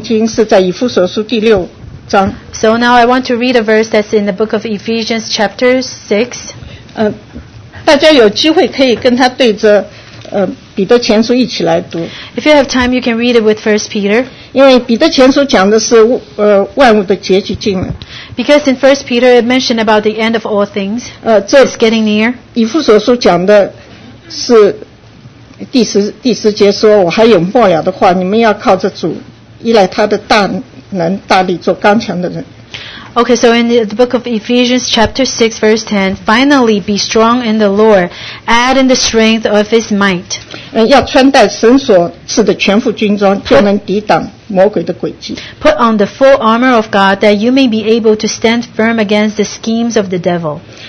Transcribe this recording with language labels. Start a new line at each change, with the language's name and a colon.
Chinese: 那我现在就想读一句圣经是在以弗所书第六章。
English: So now I want to read a verse that's in the book of Ephesians chapter 6.
Chinese: 大家有机会可以跟他对着
English: If you have time, you can read it with 1 Peter.
Chinese: 因为彼得前书讲的是, 万物的结局近了,
English: because in 1 Peter, it mentioned about the end of all things. It's getting near.
Chinese: 以弗所书讲的是第十节说, 我还有末了的话, 你们要靠着主, 依赖他的大能, 大力做刚强的人。
English: Okay, so in the book of Ephesians chapter 6, verse 10, finally be strong in the Lord, add in the strength of his might.
Chinese: 要穿戴神所赐的全副军装，就能抵挡魔鬼的诡计。
English: Put on the full armor of God that you may be able to stand firm against the schemes of the devil.